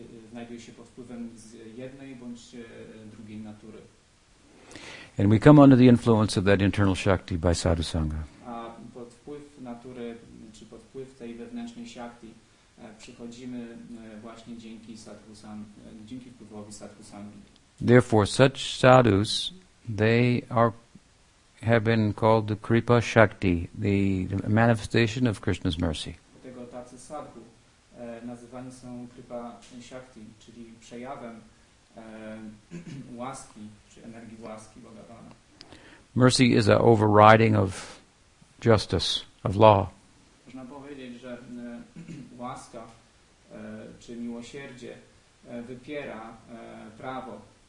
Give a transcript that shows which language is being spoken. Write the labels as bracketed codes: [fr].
[pl] znajduje się pod wpływem z jednej bądź drugiej natury. [en] And we come under the influence of that internal shakti by sadhu sangha. [pl] A pod wpływ natury, czy pod wpływ tej wewnętrznej shakti, przychodzimy właśnie dzięki sadhu sangha, dzięki wpływowi sadhu sangha. [en] Therefore, such sadhus, they are have been called the kripa shakti, the manifestation of Krishna's mercy. [pl] Dlatego tacy sadhu nazywani są kripa shakti, czyli przejawem łaski, czy energii łaski Bhagavana. [en] Mercy is an overriding of justice, of law. [pl] Można powiedzieć, że łaska, czy miłosierdzie, wypiera prawo.